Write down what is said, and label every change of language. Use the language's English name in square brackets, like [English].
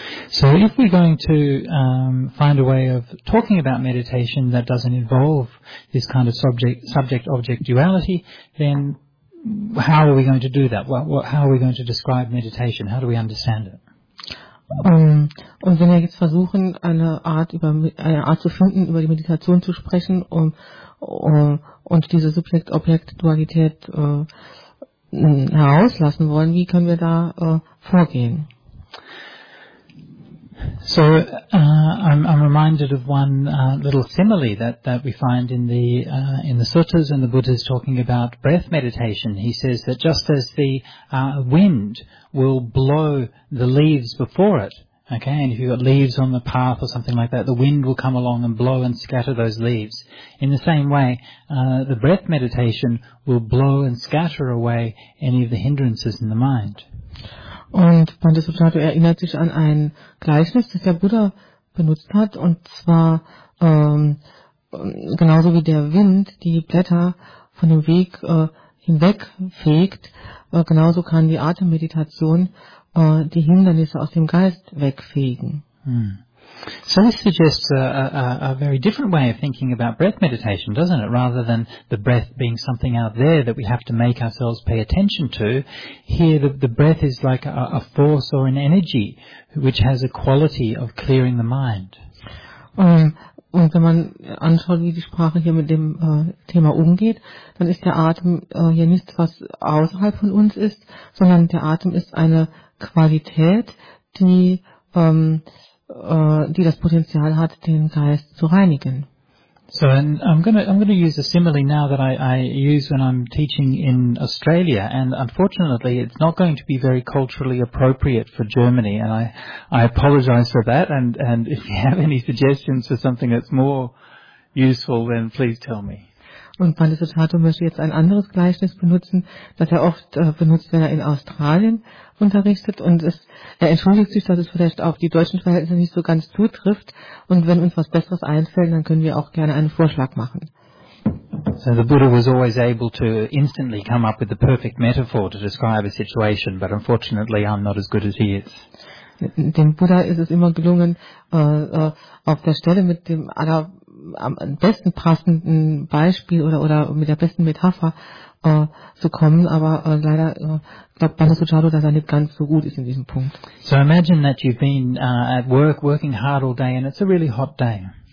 [English] So if we're going to find a way of talking about meditation that doesn't involve this kind of subject-object duality, then how are we going to do that? How are we going to describe meditation? How do we understand it? [German] Und wenn wir jetzt versuchen, eine Art zu finden, über die Meditation zu sprechen und diese Subjekt-Objekt-Dualität herauslassen wollen, wie können wir da vorgehen? [English] So, I'm reminded of one little simile that we find in the suttas, and the Buddha is talking about breath meditation. He says that just as the wind will blow the leaves before it, okay, and if you've got leaves on the path or something like that, the wind will come along and blow and scatter those leaves. In the same way, the breath meditation will blow and scatter away any of the hindrances in the mind. [German] Und Bhante erinnert sich an ein Gleichnis, das der Buddha benutzt hat, und zwar genauso wie der Wind die Blätter von dem Weg hinweg fegt, genauso kann die Atemmeditation die Hindernisse aus dem Geist wegfegen. [English] So this suggests a very different way of thinking about breath meditation, doesn't it? Rather than the breath being something out there that we have to make ourselves pay attention to, here the breath is like a force or an energy which has a quality of clearing the mind. [German] Und wenn man anschaut, wie die Sprache hier mit dem Thema umgeht, dann ist der Atem hier nicht was außerhalb von uns ist, sondern der Atem ist eine Qualität, die das Potenzial hat, den Geist zu reinigen. [English] So, and I'm gonna use a simile now that I use when I'm teaching in Australia, and unfortunately it's not going to be very culturally appropriate for Germany, and I apologize for that, and if you have any suggestions for something that's more useful, then please tell me. [German] Und Panisotato möchte jetzt ein anderes Gleichnis benutzen, das er oft benutzt, wenn er in Australien unterrichtet. Und er entschuldigt sich, dass es vielleicht auf die deutschen Verhältnisse nicht so ganz zutrifft. Und wenn uns was Besseres einfällt, dann können wir auch gerne einen Vorschlag machen. [English] So the Buddha was always able to instantly come up with the perfect metaphor to describe a situation, but unfortunately I'm not as good as he is. [German] Dem Buddha ist es immer gelungen, auf der Stelle mit dem aller am besten passenden Beispiel oder mit der besten Metapher zu kommen, aber leider glaubt Panasuchado, dass er nicht ganz so gut ist in diesem Punkt. [English] So imagine that you've been at work, working hard all day, and it's a really hot day.